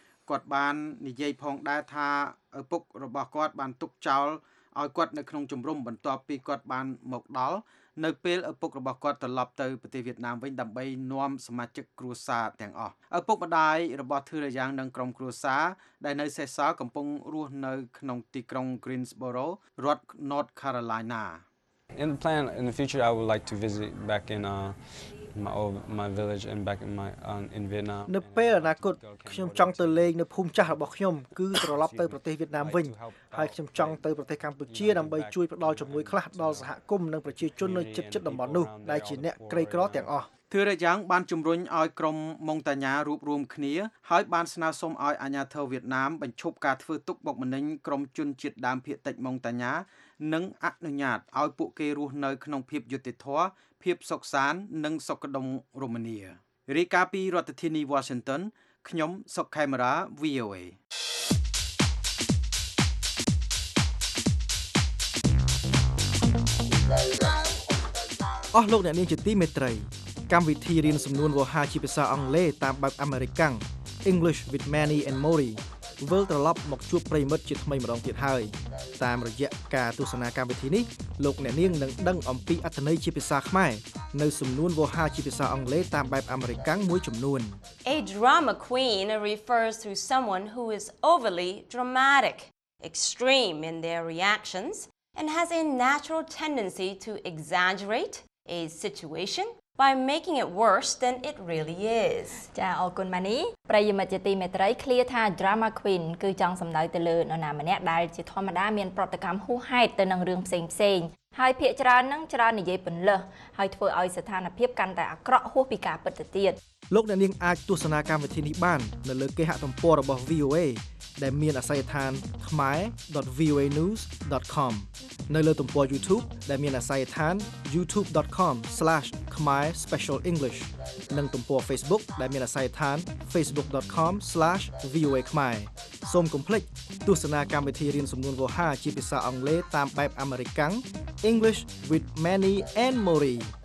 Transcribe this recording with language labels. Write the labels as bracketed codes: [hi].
[km] គាត់បាននិយាយផងដែរថាឪពុករបស់គាត់បានទុកចោលឲ្យគាត់នៅក្នុងជំរំបន្ទាប់ពីគាត់បានមកដល់នៅពេលឪពុករបស់គាត់ត្រឡប់ទៅប្រទេសវៀតណាមវិញដើម្បីនាំសមាជិកគ្រួសារទាំងអស់ឪពុកម្ដាយរបស់ធឿរយ៉ាងនិងក្រុមគ្រួសារដែលនៅសេសសល់កំពុងរស់នៅក្នុងទីក្រុង Greensboro រដ្ឋ North Carolina [en] In the plan in the future I would like to visit back in my village and back in my in Vietnam [km] នៅពេលអនាគតខ្ញុំចង់ទៅលេងនៅភូមិចាស់របស់ខ្ញុំគឺត្រឡប់ទៅប្រទេសវៀតណាមវិញហើយខ្ញុំចង់ទៅប្រទេសកម្ពុជាដើម្បីជួយផ្តល់ជំនួយខ្លះដល់សហគមន៍និងប្រជាជននៅជិតតំបន់នោះដែលជាអ្នកក្រីក្រទាំងអស់ ធឿរយ៉ាងបានជំរុញឲ្យក្រុមម៉ុងតាញ៉ារួបរួមគ្នាហើយបានស្នើសុំឲ្យអាជ្ញាធរវៀតណាមបញ្ឈប់ការធ្វើទុកបុកម្នេញក្រុមជនជាតិដើមភាគតិចម៉ុងតាញ៉ានិងអនុញ្ញាតឲ្យពួកគេរស់នៅក្នុងភាពយុត្តិធម៌ភាពសុខសាន្តនិងសុខដុមរមនារីកាពីរដ្ឋធានី Washington ខ្ញុំសុកខេមរា VOA អស់លោកអ្នកនាងជាទីមេត្រីកម្មវិធីរៀនសំនួនវោហារជាភាសាអង់គ្លេសតាមបែបអាមេរិកាំង English with Manny and Mori វិលត្រឡប់មកជួបប្រិមិត្តជាថ្មីម្ដងទៀតហើយតាមរយៈការទស្សនាកម្មវិធីនេះលោកអ្នកនាងនឹងដឹងអំពីអត្ថន័យជាភាសាខ្មែរនៅសំនួនវោហារជាភាសាអង់គ្លេសតាមបែបអាមេរិកាំងមួយចំនួន [en] A drama queen refers to someone who is overly dramatic, extreme in their reactions and has a natural tendency to exaggerate a situation by making it worse than it really is. [km] ចាអរគុណម៉ានីប្រិយមិត្តជាទីមេត្រី clear ថា drama queen គឺចង់សម្ដៅទៅលើនរណាម្នាក់ដែលជាធម្មតាមានប្រតិកម្មហួសហេតុទៅនឹងរឿងផ្សេងផ្សេងហើយភាគច្រើននឹងច្រើននិយាយពន្លើសហើយធ្វើឲ្យស្ថានភាពកាន់តែអាក្រក់ហួសពីការពិតទៅទៀត លោកអ្នកនាងអាចទស្សនាកម្មវិធីនេះបាននៅលើគេហទំព័ររបស់ VOA ដែលមានអាសយដ្ឋាន khmae.voanews.com នៅលើទំព័រ YouTube ដែលមានអាសយដ្ឋាន youtube.com/khmaespecialenglish និងទំព័រ Facebook ដែលមានអាសយដ្ឋាន facebook.com/voakhmae សូមកុំភ្លេចទស្សនាកម្មវិធីរៀនសំនួនវោហារជាភាសាអង់គ្លេសតាមបែបអាមេរិកាំង English with Manny and Mori